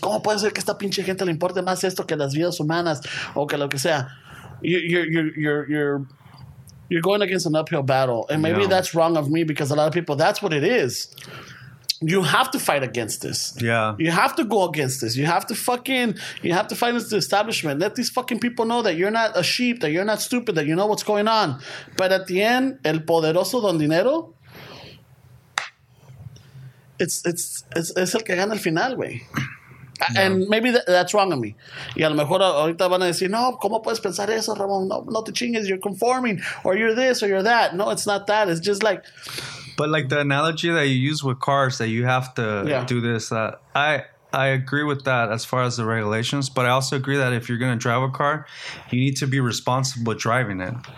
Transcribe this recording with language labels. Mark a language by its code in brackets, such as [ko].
[es] ¿Cómo puede ser que esta pinche gente le importe más esto que las vidas humanas o que lo que sea? [en] You're going against an uphill battle. And maybe that's wrong of me, because a lot of people, that's what it is. You have to fight against this. Yeah. You have to go against this. You have to fight against the establishment. Let these fucking people know that you're not a sheep, that you're not stupid, that you know what's going on. But at the end, [es] el poderoso don dinero, it's el que gana el final, güey. Yeah. [en] And maybe that's wrong of me. [es] Y a lo mejor ahorita van a decir, no, ¿cómo puedes pensar eso, Ramón? No, no te chingues, [en] you're conforming, or you're this, or you're that. No, it's not that. It's just like... But like the analogy that you use with cars, that you have to do this, that I agree with that as far as the regulations. But I also agree that if you're going to drive a car, you need to be responsible driving it.